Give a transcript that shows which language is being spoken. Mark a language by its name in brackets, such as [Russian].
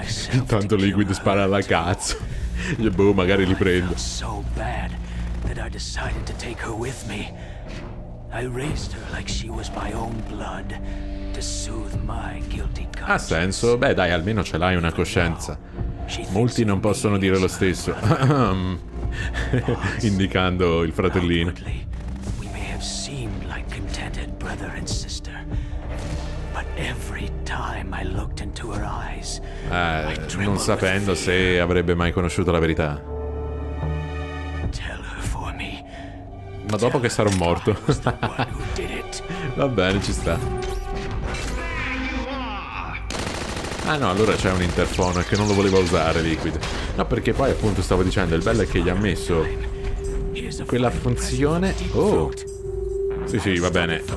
[Italian] Intanto Liquid spara alla cazzo. E boh, magari li prendo. [English] So bad that I decided to take her with me. I raised her like she was my own blood to soothe my guilty conscience. [Italian] Ha senso? Beh, dai, almeno ce l'hai una coscienza. Molti non possono dire lo stesso. Indicando il fratellino. [English] We may have seemed like contented brother and sister, but every time I looked into her eyes, [Italian] non sapendo se avrebbe mai conosciuto la verità. Ma dopo che sarò morto. Va bene, ci sta. Ah no, allora c'è un interfono che non lo voleva usare, Liquid. No, perché poi appunto stavo dicendo, il bello è che gli ha messo quella funzione. Oh. Sì, sì, va bene.